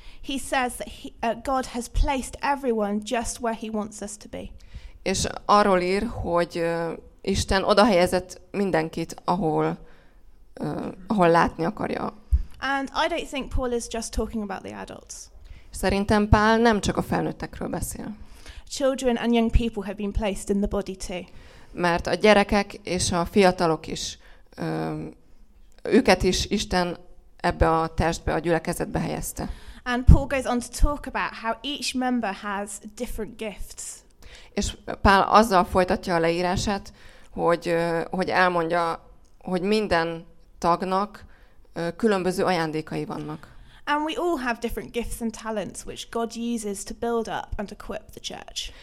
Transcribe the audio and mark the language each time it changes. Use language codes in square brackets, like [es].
[en] He says that God has placed everyone just where he wants us to be. [hu] És arról ír, hogy Isten oda helyezett mindenkit, ahol látni akarja. [en] And I don't think Paul is just talking about the adults. [hu] Szerintem Pál nem csak a felnőttekről beszél. [en] Children and young people have been placed in the body too. [hu] Mert a gyerekek és a fiatalok is, őket is Isten ebbe a testbe, a gyülekezetbe helyezte. [en] And Paul goes on to talk about how each member has different gifts. [hu] És Pál azzal folytatja a leírását, hogy elmondja, hogy minden tagnak különböző ajándékai vannak. [en] And we all have different gifts and talents which God uses to build up and equip the church.